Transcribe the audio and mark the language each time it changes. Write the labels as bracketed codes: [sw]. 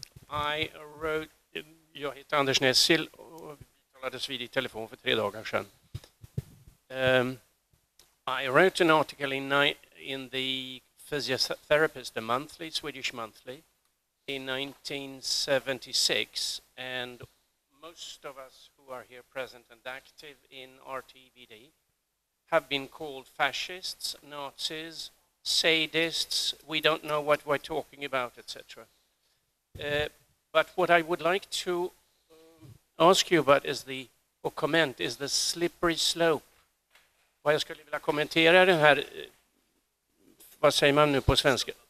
[en] I wrote, [sv] jag heter Anders Nessel och vi talades vid I telefon för 3 dagar sedan. [en] I wrote an article in the Physiotherapist, the monthly, Swedish monthly, in 1976, and most of us who are here present and active in RTVD have been called fascists, Nazis, sadists, we don't know what we're talking about, etc. But what I would like to ask you about is the, or comment, is the slippery slope. [sv] Vad jag skulle vilja kommentera den här, vad säger man nu på svenska?